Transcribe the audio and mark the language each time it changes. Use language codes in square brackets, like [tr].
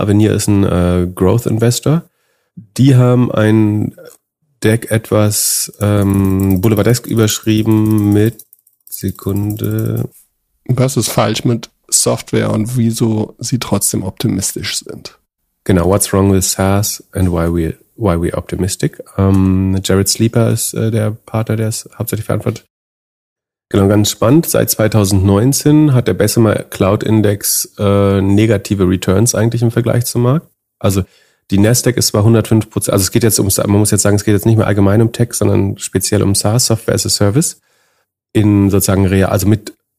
[de] Avenir ist ein Growth Investor. Die haben ein Deck etwas boulevardesk überschrieben mit Sekunde. Was ist falsch mit Software und wieso sie trotzdem optimistisch sind? [en] Genau, what's wrong with SaaS and why we optimistic? [de] Jared Sleeper ist der Partner, der es hauptsächlich verantwortet. Genau, ganz spannend. Seit 2019 hat der Bessemer Cloud Index negative Returns eigentlich im Vergleich zum Markt. Also die Nasdaq ist zwar 105%, also es geht jetzt man muss jetzt sagen, es geht jetzt nicht mehr allgemein um Tech, sondern speziell um SaaS, Software as a Service, in sozusagen also mit